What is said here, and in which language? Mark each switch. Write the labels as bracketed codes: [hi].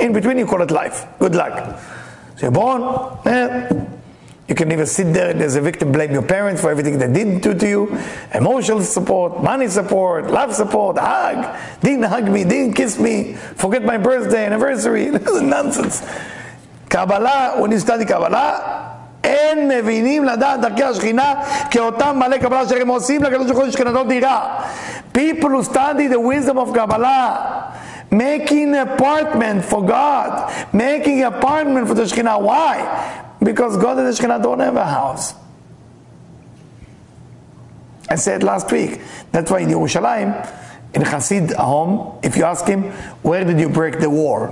[en] In between, you call it life. Good luck. So you're born, eh? You can even sit there and as a victim blame your parents for everything they did do to you. Emotional support, money support, love support, hug. Didn't hug me, didn't kiss me, forget my birthday, anniversary. This is nonsense. Kabbalah, when you study Kabbalah, [he] אין מבינים לדעת דרכי השכינה כאותם מלא קבלה שהם עושים לקדוש ברוך הוא שכינתו דירה. [en] People who study the wisdom of Kabbalah, making an apartment for God, making an apartment for the Shekhinah. Why? Because God and the Shekhinah don't have a house. I said last week, that's why in Yerushalayim, in Hasid home, if you ask him, where did you break the wall?